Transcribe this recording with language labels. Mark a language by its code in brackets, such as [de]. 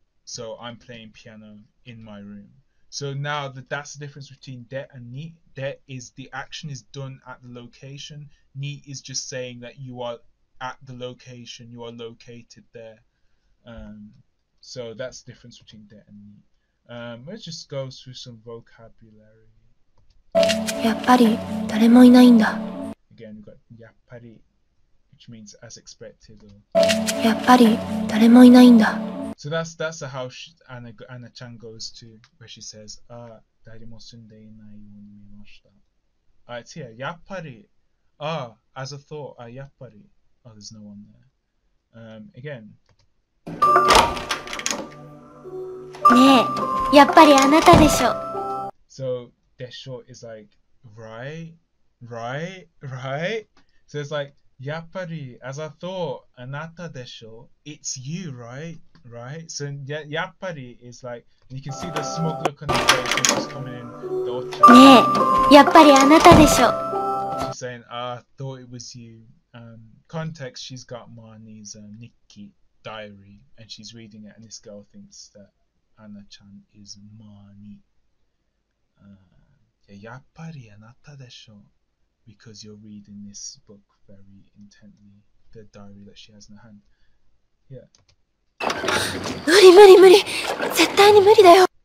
[en] So I'm playing piano in my room. So now that's the difference between de and ni. De is the action is done at the location. Ni is just saying that you are at the location, you are located there. So that's the difference between de and ni. Let's just go through some vocabulary. [ja] やっぱり誰もいないんだ。 [en] Again, we've got やっぱり, which means as expected. Or... [ja] やっぱり誰もいないんだ。 [en] So that's the house Anna-chan goes to, where she says, "Ah, [ja] 誰も住んでいないように見ました." [en] It's here. やっぱり. Ah, as a thought. Ah, やっぱり.Oh, there's no one there. Again. [ja] ねえ、やっぱりあなたでしょ。 [en] So. Desho is like right. So it's like yapari, as I thought, [ja] anata desho, [en] it's you, right. So yapari is like, and you can see the smug look on her face when she's coming in [ja] ねえ、やっぱりあなたでしょ。 [en] She's saying, I thought it was you. Context: she's got Marnie's Nikki diary, and she's reading it, and this girl thinks that Anna-chan is Marnie. [ja] やっぱりあなたでしょ? [en] Because you're reading this book very intently, the diary that she has in her hand. Yeah. [ja] 無理無理無理。絶対に無理だよ。